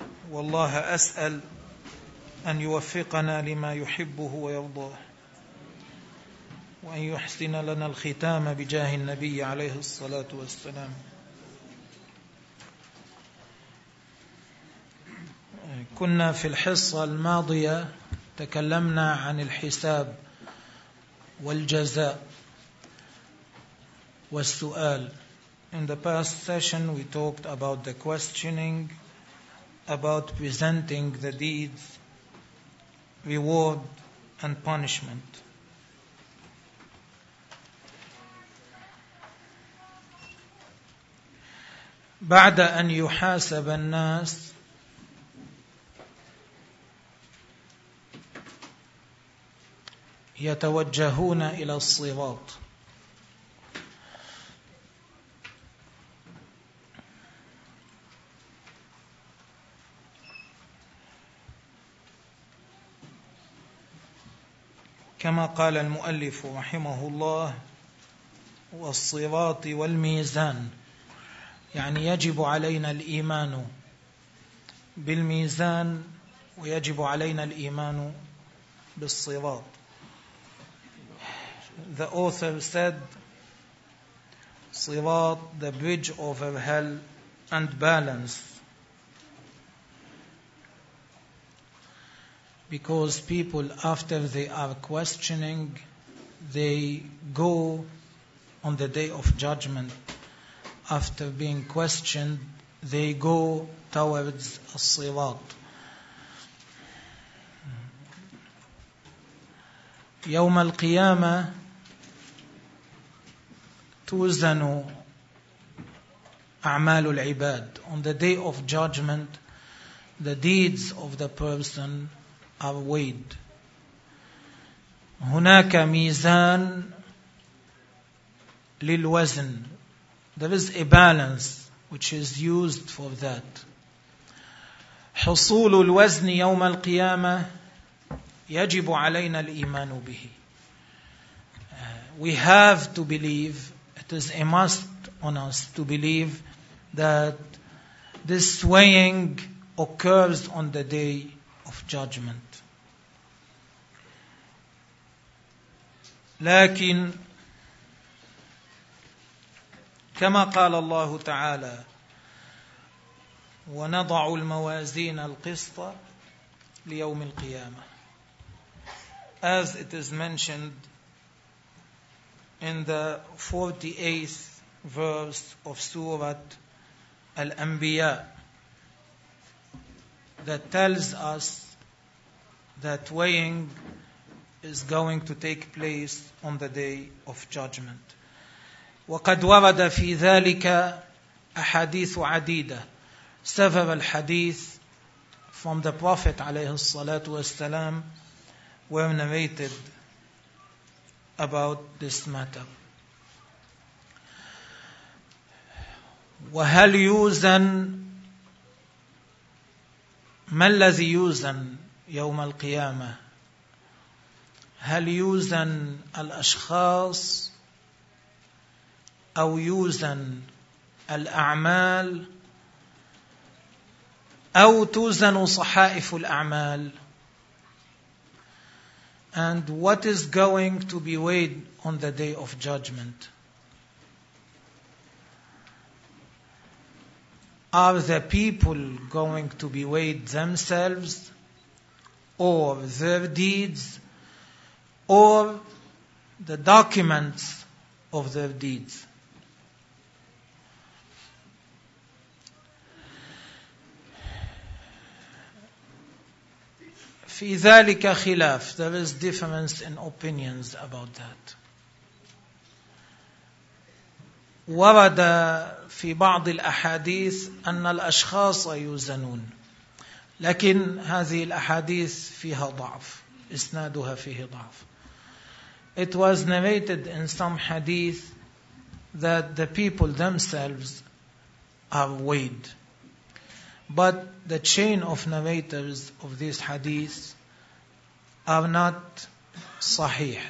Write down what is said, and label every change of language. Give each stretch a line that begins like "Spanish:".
Arabic: والله أسأل أن يوفقنا لما يحبه ويرضاه، وأن يحسن لنا الختام بجاه النبي عليه الصلاة والسلام. كنا في الحصة الماضية تكلمنا عن الحساب والجزاء والسؤال.
English: In the past session we talked about the questioning, about presenting the deeds, reward and punishment.
Arabic: بعد أن يحاسب الناس يتوجهون إلى الصراط، كما قال المؤلف رحمه الله: والصراط والميزان، يعني يجب علينا الإيمان بالميزان ويجب علينا الإيمان بالصراط.
English: The author said, Sirat, the bridge over hell, and balance. Because people, after they are questioning, they go on the day of judgment. After being questioned, they go towards Sirat.
Arabic: يوم القيامة توزن أعمال العباد.
English: On the day of judgment, the deeds of the person are weighed.
Arabic: هناك ميزان للوزن.
English: There is a balance which is used for that.
Arabic: حصول الوزن يوم القيامة يجب علينا الإيمان به.
English: We have to believe. It is a must on us to believe that this weighing occurs on the day of judgment.
Arabic: لكن كما قال الله تعالى: ونضع الموازين القسط ليوم القيامة.
English: As it is mentioned in the 48th verse of Surah Al-Anbiya, that tells us that weighing is going to take place on the day of judgment.
Arabic: وَقَدْ وَرَدَ فِي ذَلِكَ أَحَدِيثُ عَدِيدَةٌ.
English: Several hadith from the Prophet عليه الصلاة والسلام were narrated about this matter.
Arabic: وَهَلْ يُوزَن، مَا الَّذِي يُوزَن يَوْمَ الْقِيَامَةِ؟ هَلْ يُوزَن الأشخاص أو يُوزَن الأعمال أو تُوزَن صحائف الأعمال؟
English: And what is going to be weighed on the day of judgment? Are the people going to be weighed themselves, or their deeds, or the documents of their deeds?
Arabic: في ذلك خلاف.
English: There is difference in opinions about that.
Arabic: ورد في بعض الأحاديث أن الأشخاص يوزنون، لكن هذه الأحاديث فيها ضعف، إسنادها فيه ضعف.
English: It was narrated in some hadith that the people themselves are weighed. But the chain of narrators of these hadith are not sahih.